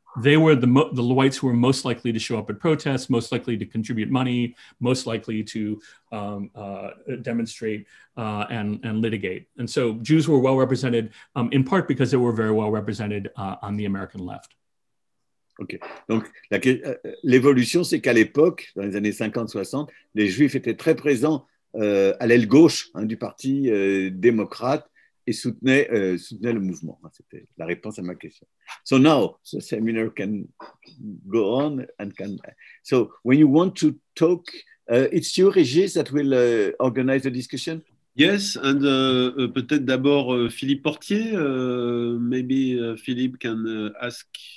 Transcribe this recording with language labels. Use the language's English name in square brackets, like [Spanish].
[English] They were the whites who were most likely to show up at protests, most likely to contribute money, most likely to demonstrate and litigate. And so Jews were well represented in part because they were very well represented on the American left. OK. [French] Donc, l'évolution, c'est qu'à l'époque, dans les années 50-60, les Juifs étaient très présents à l'aile gauche hein, du Parti démocrate. Et soutenait le mouvement. C'était la réponse à ma question. [English] So now the seminar can go on and can. So when you want to talk, it's you, Régis, that will organize the discussion. Yes, and [French] peut-être d'abord [English] Philippe Portier. Maybe Philippe can ask.